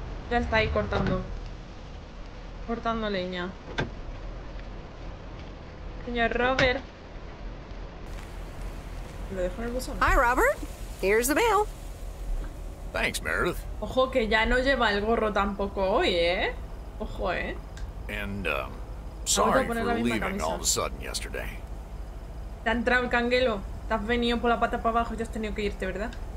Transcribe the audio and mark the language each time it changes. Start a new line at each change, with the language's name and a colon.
Spanish: Ya está ahí cortando leña. Señor Robert. Lo dejo en el buzón.
English: Hi Robert, here's the mail. Thanks Meredith.
Spanish: Ojo que ya no lleva el gorro tampoco hoy, ¿eh? Ojo, ¿eh?
English: And sorry for leaving all of a sudden yesterday.
Spanish: Te ha entrado el canguelo. Te has venido por la pata para abajo y has tenido que irte, ¿verdad?